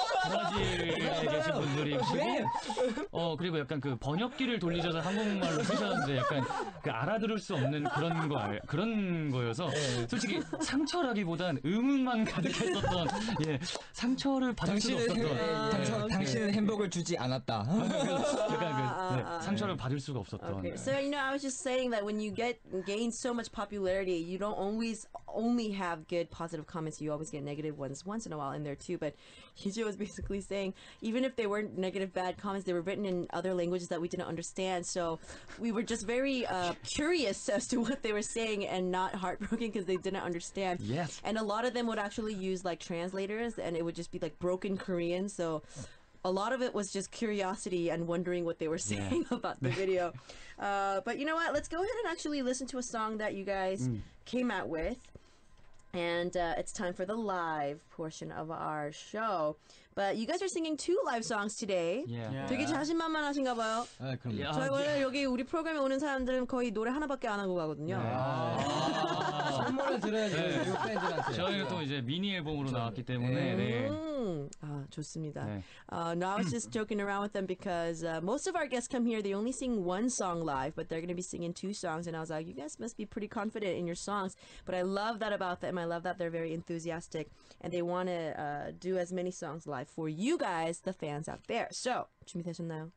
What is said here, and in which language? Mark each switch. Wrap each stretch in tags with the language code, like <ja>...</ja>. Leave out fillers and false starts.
<ko>브라질에 계신 분들이 그리고 약간 그 번역기를 돌리셔서 한국말로 쓰셨는데 약간 그 알아들을 수 없는 그런 거여서 솔직히 상처라기보단 의문만 가득했었던 상처를 받을 수 없었던 당신은 행복을 주지 않았다 약간 그 상처를 받을 수가 없었던</ko> <en>So you know I was just saying that when you gain so much popularity you don't always only have good positive comments you always get negative ones once in a while in there too but Hiji was basically saying even if they weren't negative bad comments they were written in other languages that we didn't understand so we were just very curious as to what they were saying and not heartbroken because they didn't understand yes and a lot of them would actually use like translators and it would just be like broken Korean so a lot of it was just curiosity and wondering what they were saying about the video but you know what let's go ahead and actually listen to a song that you guys came out with and it's time for the live portion of our show but you guys are singing two live songs today yeah.</en> <ko>되게 자신만만하신가 봐요</ko> <en>yeah,</en> <ko>저희 원래 여기 우리 프로그램에 오는 사람들은 거의 노래 하나밖에 안 하고 가거든요 yeah. 선물을 드려야죠 네. 저희가 또 이제 미니 앨범으로 나왔기 때문에 네. 좋습니다 네.</ko> <en>Now I was just joking around with them because most of our guests come here they only sing one song live but they're going to be singing two songs and I was like you guys must be pretty confident in your songs but I love that about them I love that they're very enthusiastic and they want to do as many songs live for you guys the fans out there so</en> <ko>준비되셨나요?</ko>